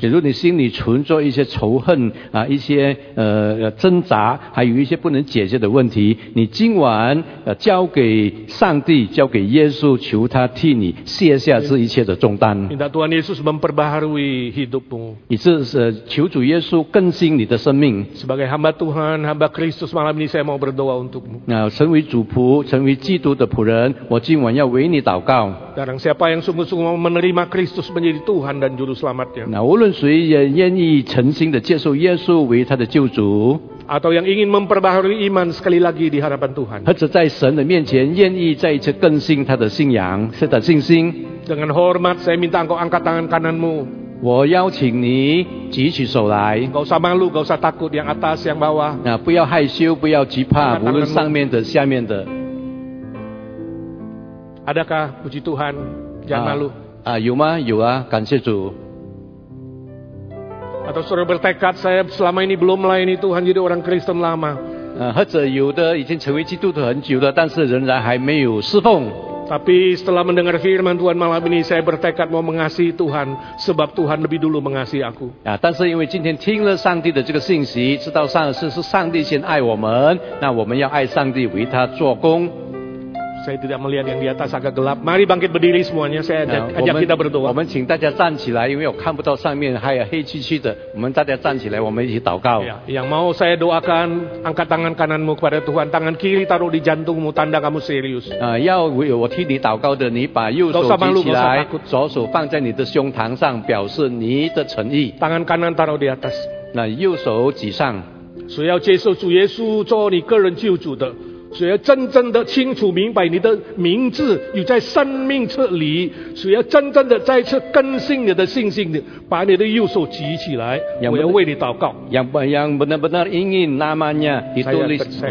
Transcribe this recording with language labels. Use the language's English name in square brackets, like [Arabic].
[Chinese] 比如你心里存着一些仇恨啊，一些挣扎，还有一些不能解决的问题，你今晚交给上帝，交给耶稣，求他替你卸下这一切的重担。 [Indonesian] Minta Tuhan Yesus memperbaharui hidupmu. [Chinese] 你是求主耶稣更新你的生命。 [Indonesian] Sebagai hamba Tuhan, hamba Kristus malam ini saya mau berdoa untukmu. [Chinese] 成为主仆，成为基督的仆人，我今晚要为你祷告。 [Indonesian] Sekarang siapa yang sungguh-sungguh mau menerima Kristus menjadi Tuhan dan juru selamatnya. [Chinese] 无论谁也愿意诚心的接受耶稣为他的救主。 [Indonesian] Atau yang ingin memperbaharui iman sekali lagi di hadapan Tuhan. [Chinese] 或者在神的面前愿意再一次更新他的信仰，他的信心。 [Indonesian] Dengan hormat saya minta engkau angkat tangan kananmu. [Chinese] 我邀请你举起手来。 [Indonesian] Gak usah malu, gak usah takut yang atas yang bawah. [Chinese] 不要害羞，不要惧怕，无论上面的下面的。 [Indonesian] Adakah puji Tuhan, jangan malu. [Chinese] 有吗？有啊，感谢主。 [Indonesian] Atau sudah bertekad saya selama ini belum melayani Tuhan jadi orang Kristen lama. [Chinese] 或者有的已经成为基督徒很久了，但是仍然还没有侍奉。 [Indonesian] Tapi setelah mendengar firman Tuhan malam ini saya bertekad mau mengasihi Tuhan sebab Tuhan lebih dulu mengasihi aku. [Chinese] 但是因为今天听了上帝的这个信息，知道是上帝先爱我们，那我们要爱上帝，为他做工。 [Indonesian] Saya tidak melihat yang di atas agak gelap. Mari bangkit berdiri semuanya. Saya ajak kita berdoa. [Chinese] 我们请大家站起来，因为我看不到上面还有黑漆漆的。我们大家站起来，我们一起祷告。 [Indonesian] Yang mau saya doakan, angkat tangan kananmu kepada Tuhan, tangan kiri taruh di jantungmu, tanda kamu serius. [Chinese] 要我替你祷告的，你把右手举起来，左手放在你的胸膛上，表示你的诚意。 [Indonesian] Tangan kanan taruh di atas. [Chinese] 那右手举上。所以要接受主耶稣做你个人救主的。只要真正的清楚明白你的名字与在生命册里，只要真正的再次更新你的信心，把你的右手举起来，我要为你祷告。 [Indonesian] Yang benar-benar ingin namanya ditulis.